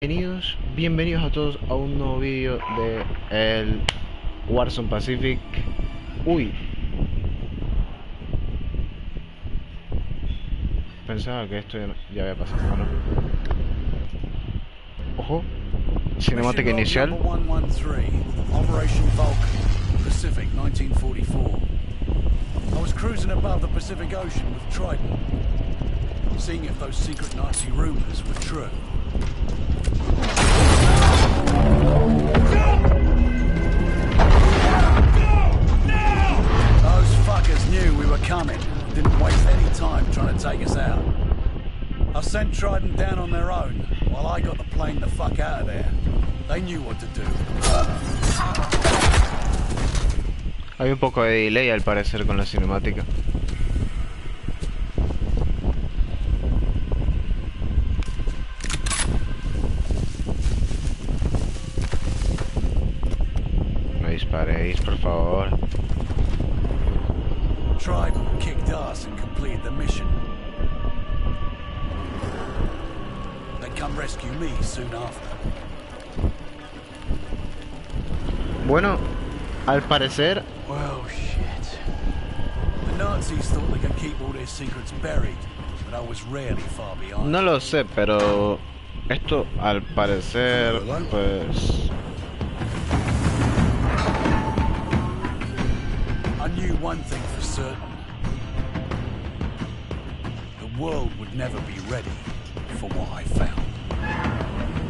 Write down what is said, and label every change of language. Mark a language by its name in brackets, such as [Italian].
[Spanish] Bienvenidos a todos a un nuevo vídeo de el Warzone Pacific. Uy, pensaba que esto ya había pasado, ¿no? Ojo, cinemática inicial. [English] Operation Vulcan, Pacific 1944. I was cruising above the Pacific Ocean with Trident, seeing if those secret Nazi rumors were true. Those fuckers knew we were coming. Didn't waste any time trying to take us out. I sent Trident down on their own while I got the plane the fuck out of there. They knew what to do. [Spanish] Hay un poco de delay al parecer con la cinemática. Paréis, por favor. [English] Trident kicked ass and completed the mission. They come rescue me soon after. [Spanish] Bueno, al parecer. [English] Well, shit. The Nazis thought they could keep all their secrets buried, but I was really far behind. [Spanish] No lo sé, pero esto, al parecer, pues. [English] One thing for certain, the world would never be ready for what I found.